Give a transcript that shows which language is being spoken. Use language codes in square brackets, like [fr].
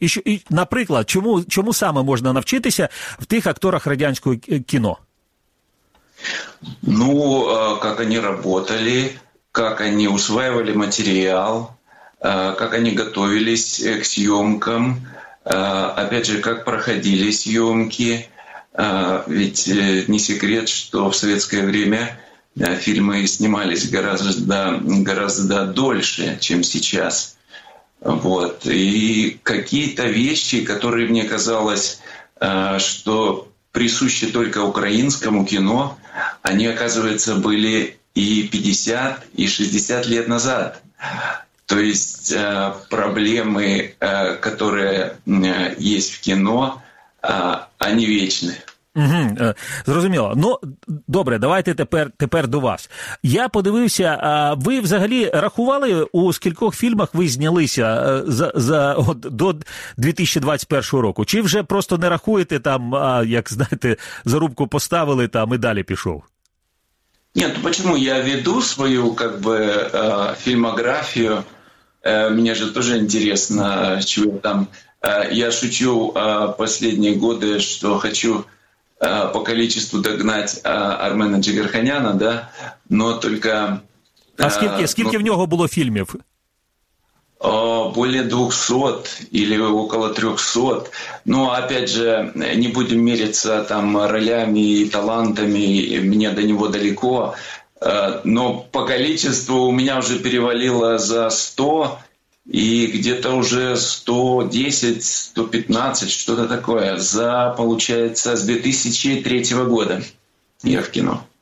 [uk] і наприклад, чому саме можна навчитися в тих акторах радянського кіно? [ru] Ну, как они работали, как они усваивали материал, как они готовились к съемкам, опять же, как проходили съемки. Ведь не секрет, что в советское время фильмы снимались гораздо дольше, чем сейчас. Вот. И какие-то вещи, которые мне казалось, что присущи только украинскому кино, они, оказывается, были и 50, и 60 лет назад. То есть проблемы, которые есть в кино, они вечны. [uk] Угу, зрозуміло. Ну, добре, давайте тепер до вас. Я подивився, ви взагалі рахували, у скількох фільмах ви знялися до 2021 року? Чи вже просто не рахуєте там, як знаєте, зарубку поставили там і далі пішов? Ні, то чому я веду свою как бы, фільмографію? Мені ж теж цікаво, що там. Я шучу останні роки, що хочу... [ru] по количеству догнать Армена Джигарханяна, да, но только... [uk] А скільки в нього було фільмів? [ru] Более 200 или около 300. Ну, опять же, не будем мериться там ролями и талантами, мне до него далеко, но по количеству у меня уже перевалило за 100, и где-то уже 110-115, что-то такое, за, получается, с 2003 года я в кино.